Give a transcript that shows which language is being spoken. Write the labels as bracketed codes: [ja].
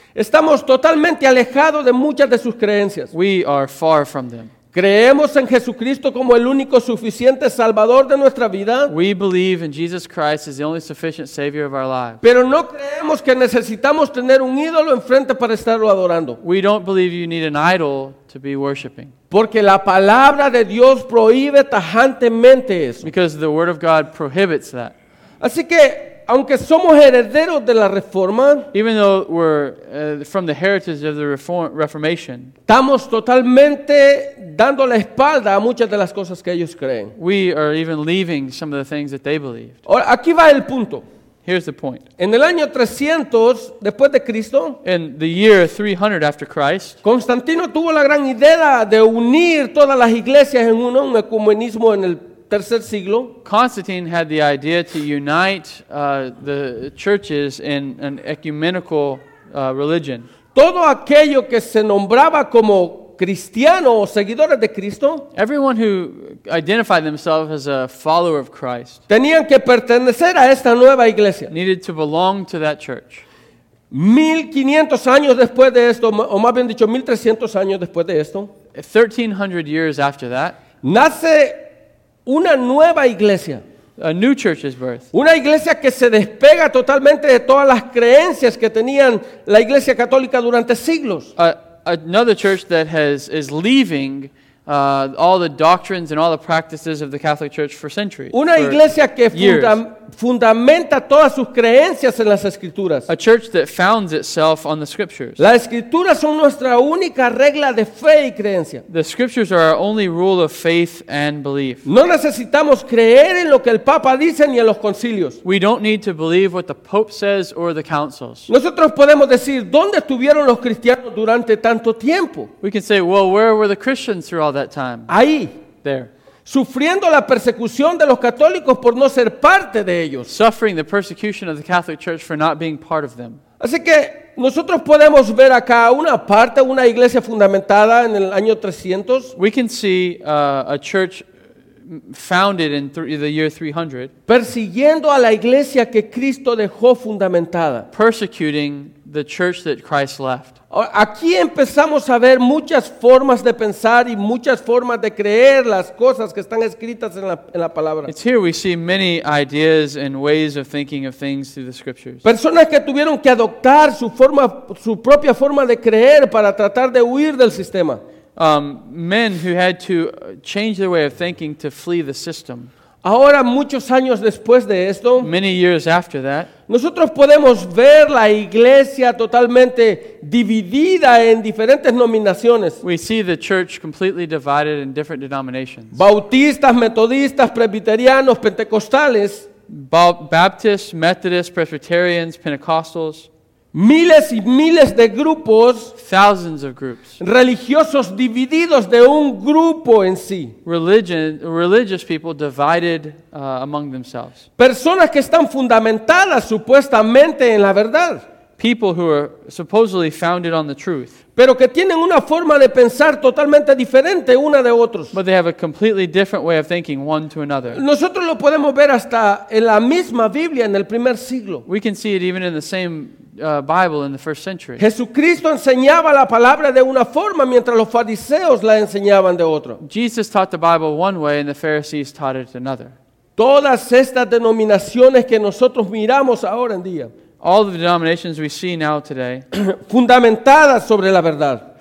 [es] estamos totalmente alejados de muchas de sus creencias. [en] We are far from them. [es] Creemos en Jesucristo como el único suficiente salvador de nuestra vida. [en] We believe in Jesus Christ as the only sufficient savior of our lives. [es] Pero no creemos que necesitamos tener un ídolo enfrente para estarlo adorando. [en] We don't believe you need an idol to be worshiping. [es] Porque la palabra de Dios prohíbe tajantemente eso. [en] Because the word of God prohibits that. [es] Así que aunque somos herederos de la Reforma, [en] even though we're from the heritage of the Reformation, [es] estamos totalmente dando la espalda a muchas de las cosas que ellos creen. [en] We are even leaving some of the things that they believed. [es] Ahora, aquí va el punto. [en] Here's the point. [es] En el año 300 después de Cristo, [en] in the year 300 after Christ, [es] Constantino tuvo la gran idea de unir todas las iglesias en uno, un ecumenismo en el tercer siglo. [en] Constantine had the idea to unite the churches in an ecumenical religion. [es] Todo aquello que se nombraba como cristiano o seguidores de Cristo, [en] everyone who identified themselves as a follower of Christ, [es] tenían que pertenecer a esta nueva iglesia. [en] Needed to belong to that church. [es] 1500 años después de esto, o más bien dicho 1300 años después de esto, [en] 1300 years after that, [es] nace una nueva iglesia. [en] A new church's birth. [es] Una iglesia que se despega totalmente de todas las creencias que tenían la iglesia católica durante siglos. [en] Another church that is leaving all the doctrines and all the practices of the Catholic Church for centuries. [es] Una iglesia que fundamenta todas sus creencias en las escrituras. [en] A church that founds itself on the scriptures. [es] Las escrituras son nuestra única regla de fe y creencia. [en] The scriptures are our only rule of faith and belief. [es] No necesitamos creer en lo que el Papa dice ni en los concilios. [en] We don't need to believe what the Pope says or the councils. [es] Nosotros podemos decir dónde estuvieron los cristianos durante tanto tiempo. [en] We can say, well, where were the Christians through all that time? [es] Ahí. [en] There. [es] Sufriendo la persecución de los católicos por no ser parte de ellos. [en] Suffering the persecution of the Catholic Church for not being part of them. [es] Así que nosotros podemos ver acá una parte, una iglesia fundamentada en el año 300. [en] We can see a church founded in the year 300. [es] Persiguiendo a la iglesia que Cristo dejó fundamentada. [en] Persecuting the church that Christ left. [es] Aquí empezamos a ver muchas formas de pensar y muchas formas de creer las cosas que están escritas en la palabra. [en] It's here we see many ideas and ways of thinking of things through the scriptures. [es] Personas que tuvieron que adoptar su propia forma de creer para tratar de huir del sistema. [en] Men who had to change their way of thinking to flee the system. [es] Ahora, muchos años después de esto, [en] many years after that, [es] nosotros podemos ver la iglesia totalmente dividida en diferentes denominaciones. [en] We see the church completely divided in different denominations. [es] Bautistas, metodistas, presbiterianos, pentecostales. [en] Baptists, Methodists, Presbyterians, Pentecostals. [es] Miles y miles de grupos. [en] Thousands of groups. [es] Religiosos divididos de un grupo en sí. [en] Religious people divided among themselves. [es] Personas que están fundamentadas supuestamente en la verdad. [en] People who are supposedly founded on the truth. [es] Pero que tienen una forma de pensar totalmente diferente una de otros. [en] But they have a completely different way of thinking one to another. [es] Nosotros lo podemos ver hasta en la misma Biblia en el primer siglo. [en] We can see it even in the same Bible in the first century. [es] Jesucristo enseñaba la palabra de una forma mientras los fariseos la enseñaban de otro. [en] Jesus taught the Bible one way and the Pharisees taught it another. [es] Todas estas denominaciones que nosotros miramos ahora en día, [en] all the denominations we see now today, [es] fundamentadas sobre la verdad,